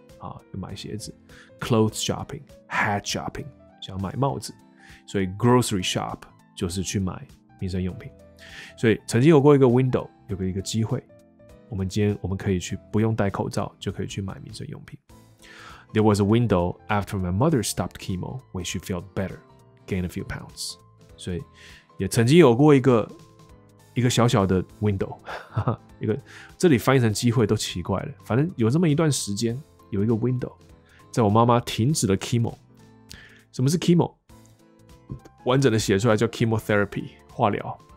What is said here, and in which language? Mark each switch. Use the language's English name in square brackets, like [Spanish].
[Chinese] 啊，买鞋子 ， [English] clothes shopping， hat shopping， [Chinese] 想买帽子。所以 [English] grocery shop [Chinese] 就是去买民生用品。所以曾经有过一个 window， 有个一个机会，我们今天我们可以去不用戴口罩就可以去买民生用品。 [English] There was a window after my mother stopped chemo when she felt better, gained a few pounds。 [Chinese] 所以也曾经有过一个小小的 window， 一个这里翻译成机会都奇怪了。反正有这么一段时间有一个 window， 在我妈妈停止了 chemo。什么是 chemo？完整的写出来叫 chemotherapy 化疗。